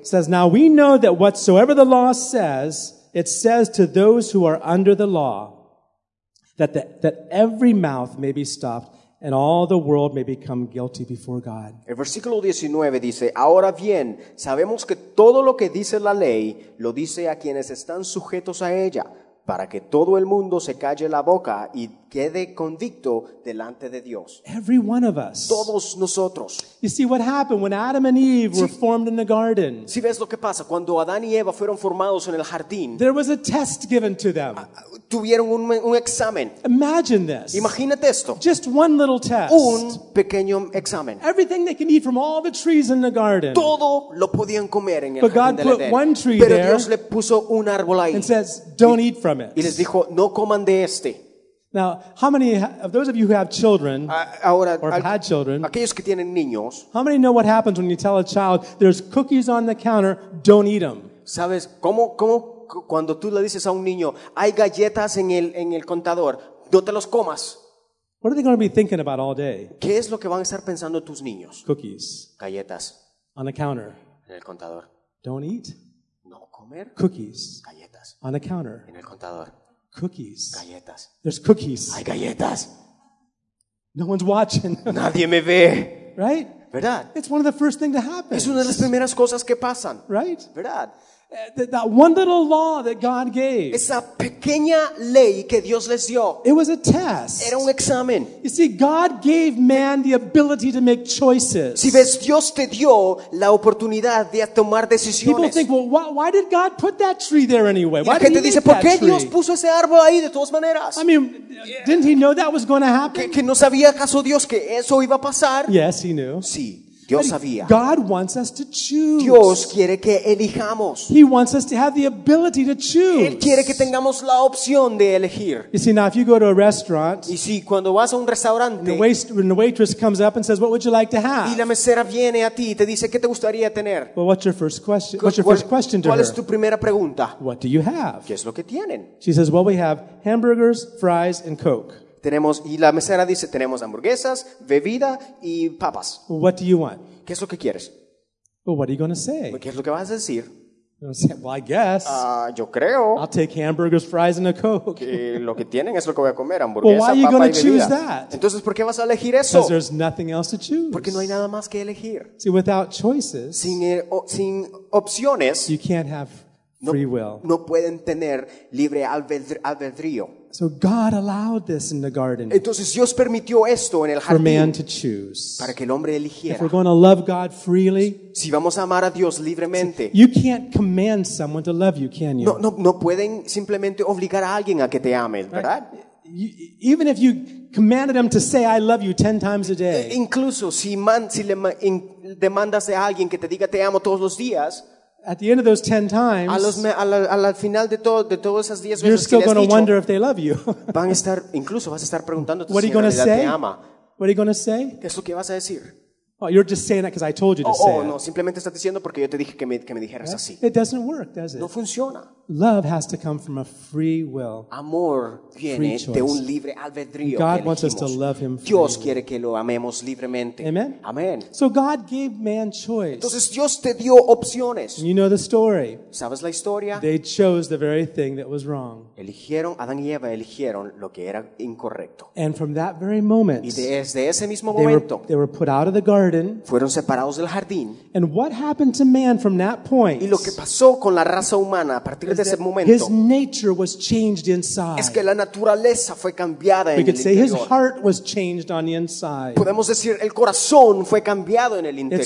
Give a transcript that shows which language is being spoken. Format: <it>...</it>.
<en>It says, now we know that whatsoever the law says, it says to those who are under the law, that every mouth may be stopped, and all the world may become guilty before God.</en> <es>El versículo 19 dice, ahora bien, sabemos que todo lo que dice la ley lo dice a quienes están sujetos a ella, para que todo el mundo se calle la boca y quede convicto delante de Dios.</es> <en>Every one of us.</en> <es>Todos nosotros.</es> <en>You see what happened when Adam and Eve were formed in the garden.</en> <es>Si ves lo que pasa cuando Adán y Eva fueron formados en el jardín.</es> <en>There was a test given to them.</en> <es>Tuvieron un examen.</es> <en>Imagine this.</en> <es>Imagínate esto.</es> <en>Just one little test.</en> <es>Un pequeño examen.</es> <en>Everything they can eat from all the trees in the garden.</en> <es>Todo lo podían comer en el jardín del Edén.</es> <en>But God put one tree</en> <es>Pero</es> <en>there.</en> <es>Pero Dios le puso un árbol ahí.</es> <en>And says, "Don't eat from it."</en> <es>Y les dijo, "No coman de este."</es> <en>Now, how many of those of you who have children had children,</en> <es>aquellos que tienen niños,</es> <en>how many know what happens when you tell a child there's cookies on the counter, don't eat them?</en> <es>¿Sabes cómo cuando tú le dices a un niño, hay galletas en el contador, no te los comas?</es> <en>What are they going to be thinking about all day?</en> <es>¿Qué es lo que van a estar pensando tus niños?</es> <en>Cookies.</en> <es>Galletas.</es> <en>On the counter.</en> <es>En el contador.</es> <en>Don't eat.</en> <es>No comer.</es> <en>Cookies.</en> <es>Galletas.</es> <en>On the counter.</en> <es>En el contador.</es> <en>Cookies.</en> <es>Galletas.</es> <en>There's cookies.</en> <es>Hay galletas.</es> <en>No one's watching.</en> <es>Nadie me ve.</es> <en>Right?</en> <es>¿Verdad?</es> <en>It's one of the first things that happens.</en> <es>Es una de las primeras cosas que pasan.</es> <en>Right?</en> <es>¿Verdad?</es> <en>That one little law that God gave.</en> <es>Esa pequeña ley que Dios les dio.</es> <en>It was a test.</en> <es>Era un examen.</es> <en>You see, God gave man the ability to make choices.</en> <es>Si ves, Dios te dio la oportunidad de tomar decisiones.</es> <en>People think, well, why did God put that tree there anyway? Why</en> <es>y la gente</es> <en>did he</en> <es>dice, ¿por qué Dios puso ese árbol ahí de todas maneras?</es> <en>I mean, didn't he know that was going to happen?</en> <es>¿Que no sabía acaso Dios que eso iba a pasar?</es> <en>Yes, he knew.</en> <es>Sí. Dios sabía.</es> <en>God wants us to choose.</en> <es>Dios quiere que elijamos.</es> <en>He wants us to have the ability to choose.</en> <es>Él quiere que tengamos la opción de elegir.</es> <en>You see, now if you go to a restaurant,</en> <es>y si cuando vas a un restaurante,</es> <en>and the waitress comes up and says, "What would you like to have?"</en> <es>Y la mesera viene a ti y te dice, "¿Qué te gustaría tener?"</es> <en>Well, what's your first question? What's your first question to her?</en> <es>¿Cuál es tu primera pregunta?</es> <en>What do you have?</en> <es>¿Qué es lo que tienen?</es> <en>She says, "Well, we have hamburgers, fries, and Coke."</en> <es>Tenemos, y la mesera dice, tenemos hamburguesas, bebida y papas.</es> <en>What do you want?</en> <es>¿Qué es lo que quieres?</es> <en>Well, what are you going to say?</en> <es>¿Qué es lo que vas a decir?</es> <en>Well, I guess.</en> <es>Yo creo.</es> <en>I'll take hamburgers, fries, and a Coke.</en> <es>Que lo que tienen es lo que voy a comer, hamburguesa,</es> <en>well, why are you</en> <es>papa y</es> <en>choose that?</en> <es>Entonces, ¿por qué vas a elegir eso?</es> <en>Because there's nothing else to choose.</en> <es>Porque no hay nada más que elegir.</es> <en>See, without choices,</en> <es>sin opciones,</es> <en>you can't have free will.</en> <es>No pueden tener libre albedrío.</es> <en>So God allowed this in the garden.</en> <es>Entonces Dios permitió esto en el jardín.</es> <en>For man to choose.</en> <es>Para que el hombre eligiera.</es> <en>If we're going to love God freely,</en> <es>si vamos a amar a Dios libremente,</es> <en>you can't command someone to love you, can you?</en> <es>No pueden simplemente obligar a alguien a que te ame, ¿verdad?</es> <en>Right? Even if you commanded them to say I love you 10 times a day.</en> <es>Incluso si demandas a alguien que te diga te amo todos los días.</es> <en>At the end of those 10 times,</en> <es>al final de todo, de todas esas 10 veces,</es> <en>you're still going to wonder if they love you.</en> <es>Van a estar, incluso vas a estar preguntándote</es> <en>what</en> <es>si en realidad te ama.</es> <en>What are you going to say?</en> <es>¿Qué es lo que vas a decir?</es> <en>Oh, you're just saying that because I told you to say.</en> <es>Oh, no, simplemente estás diciendo porque yo te dije que me dijeras right? Así.</es> <en>It doesn't work, does it?</en> <es>No funciona.</es> <en>Love has to come from a free will.</en> <es>Amor viene de un libre albedrío.</es> <en>God wants us to love him freely.</en> <es>Dios quiere que lo amemos libremente.</es> <en>Amen.</en> <es>Amen.</es> <en>So God gave man choice.</en> <es>Entonces Dios te dio opciones.</es> <en>You know the story.</en> <es>¿Sabes la historia?</es> <en>They chose the very thing that was wrong.</en> <es>Eligieron, Adán y Eva eligieron lo que era incorrecto.</es> <en>And from that very moment,</en> <es>y desde ese mismo momento,</es> <en>they were put out of the garden.</en> <es>Fueron separados del jardín.</es> <en>And what happened to man from that point?</en> <es>Y lo que pasó con la raza humana a partir de ese momento,</es> <en>his nature was changed inside.</en> <es>Es que la naturaleza fue cambiada en el interior.</es> <en>We could say his heart was changed on the inside.</en> <es>Podemos decir el corazón fue cambiado en el interior.</es>